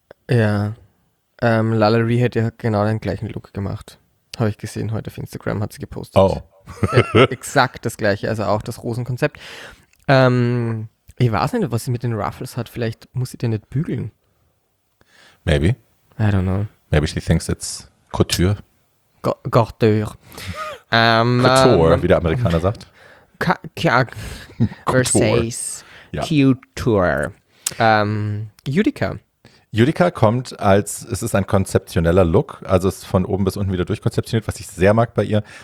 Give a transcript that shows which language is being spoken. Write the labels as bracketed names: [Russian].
[German] Ja. Lallery hätte ja genau den gleichen Look gemacht. Habe ich gesehen heute auf Instagram, hat sie gepostet. Oh. exakt das gleiche, also auch das Rosenkonzept. Ich weiß nicht, was sie mit den Ruffles hat. Vielleicht muss sie den nicht bügeln. [English] Maybe. I don't know. Maybe she thinks it's Couture. Couture. [German] Couture, wie der Amerikaner sagt. Versace. Couture. Utica. Utica kommt als, es ist ein konzeptioneller Look, also es ist von oben bis unten wieder durchkonzeptioniert, was ich sehr mag bei ihr.